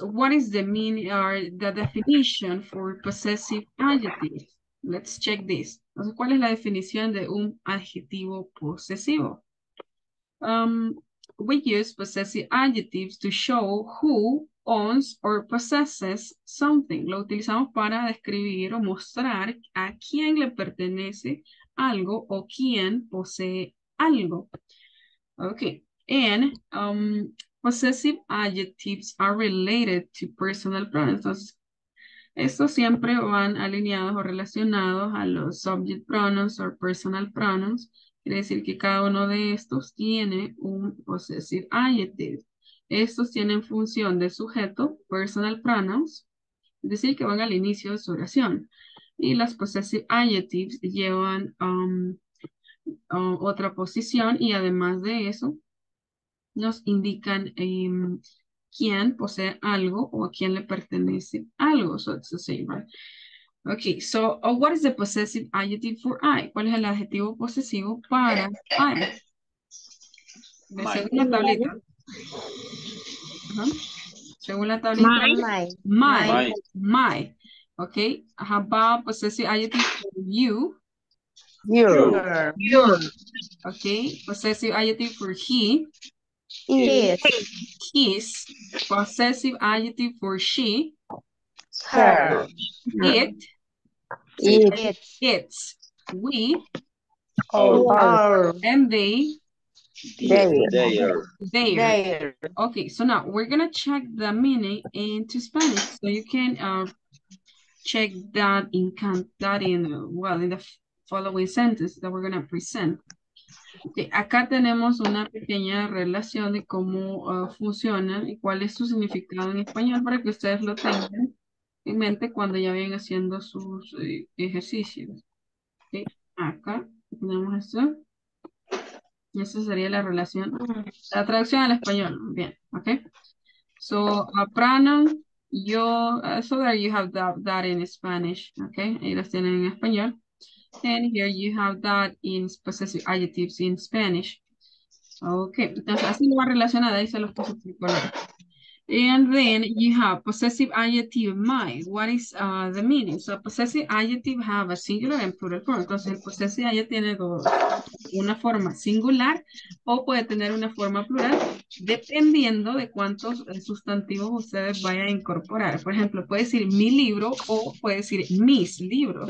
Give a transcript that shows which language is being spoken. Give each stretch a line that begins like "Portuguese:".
English: What is the meaning or the definition for possessive adjectives? Let's check this.
Spanish: So ¿cuál es la definición de un adjetivo posesivo?
English: We use possessive adjectives to show who owns or possesses something.
Spanish: Lo utilizamos para describir o mostrar a quién le pertenece algo o quién posee algo.
English: Okay. And possessive adjectives are related to personal pronouns.
Spanish: Entonces, estos siempre van alineados o relacionados a los subject pronouns or personal pronouns. Quiere decir que cada uno de estos tiene un possessive adjective. Estos tienen función de sujeto, personal pronouns, es decir, que van al inicio de su oración. Y las possessive adjectives llevan otra posición y además de eso, nos indican quién posee algo o a quién le pertenece algo.
English: So it's the same, right? Okay, so what is the possessive adjective for I?
Spanish: ¿Cuál es el adjetivo posesivo para I? De segunda tableta. Según la tablita,
English: my. Okay, how about possessive adjective for you? Your. Okay, possessive adjective for he. His. Possessive adjective for she. Her. It's. We. Our. And they. They are. Okay, so now we're gonna check the meaning into Spanish, so you can check that in the following sentence that we're gonna present.
Spanish: Okay, acá tenemos una pequeña relación de cómo funciona y cuál es su significado en español para que ustedes lo tengan en mente cuando ya vayan haciendo sus ejercicios. Okay, acá tenemos esto. Esa sería la relación, la traducción al español. Bien, ok.
English: So, a pronoun, yo, so there you have that in Spanish, ok.
Spanish: Ahí las tienen en español.
English: And here you have that in possessive adjectives in Spanish.
Spanish: Ok, entonces así lo va relacionada, ahí se los puse por color.
English: And then you have possessive adjective my. What is the meaning? So possessive adjective have a singular and plural form.
Spanish: Entonces el possessive adjective tiene una forma singular o puede tener una forma plural dependiendo de cuántos sustantivos ustedes vayan a incorporar. Por ejemplo, puede decir mi libro o puede decir mis libros.